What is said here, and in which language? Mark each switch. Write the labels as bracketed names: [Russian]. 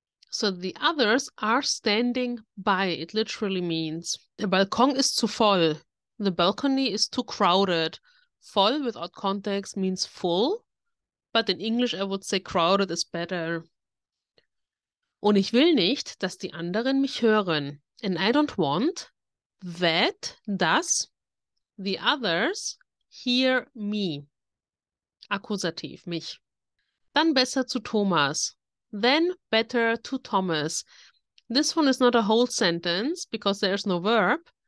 [English] So the others are standing by. It literally means the balkon is [German] zu voll. [English] The balcony is too crowded. Voll without context means full. But in English I would say crowded is better. [German] Und ich will nicht, dass die anderen mich hören. [English] And I don't want that, dass the others hear me. [German] Akkusativ, mich. Dann besser zu Thomas. [English] Then better to Thomas. This one is not a whole sentence because there is no verb.